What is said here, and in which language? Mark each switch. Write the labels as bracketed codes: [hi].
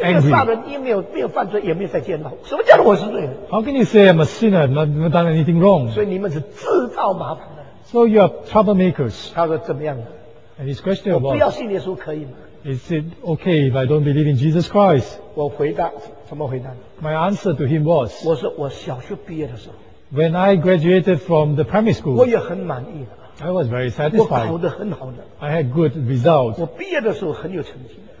[zh] 我一个杀人，也没有犯罪，也没有在监牢。什么叫做我是罪人 [en] ？How can you say I'm a sinner? Not done anything wrong. [zh] 所以你们是制造麻烦的。 [en] So you are troublemakers. [zh] 他说怎么样？ [en] And his question about, [zh] 我不要信耶稣可以吗？ [en] Is it okay if I don't believe in Jesus Christ? [zh] 我回答什么回答？ [en] My answer to him was, [zh] 我说我小学毕业的时候， [en] When I graduated from the primary school, [zh] 我也很满意的。 [en] I was very satisfied. [zh] 我考得很好的。 [en] I had good results. [zh] 我毕业的时候很有成绩。